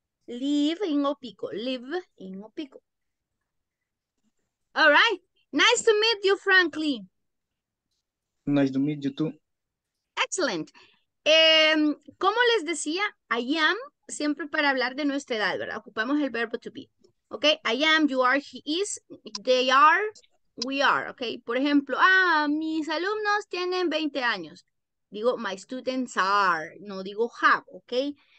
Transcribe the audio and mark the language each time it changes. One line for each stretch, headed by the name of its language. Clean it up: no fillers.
English: Live in Opico. Live in Opico. All right. Nice to meet you, Franklin. Nice to meet you, too. Excellent.
Spanish: Como les decía,
English: I am,
Spanish: siempre para hablar de nuestra edad, ¿verdad? Ocupamos el verbo to be.
English: Ok, I am, you are, he is, they are, we are.
Spanish: Ok, por ejemplo, ah, mis alumnos tienen 20 años. Digo,
English: my students are,
Spanish: no digo have, ok.